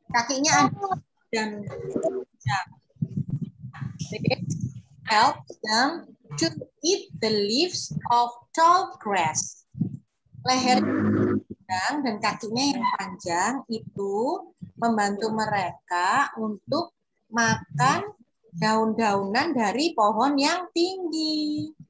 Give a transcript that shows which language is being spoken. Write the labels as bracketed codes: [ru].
[id] Kakinya ada dan panjang. [en] This helps them to eat the leaves of tall grass. [id] Leher panjang dan kakinya yang panjang itu membantu mereka untuk makan daun-daunan dari pohon yang tinggi.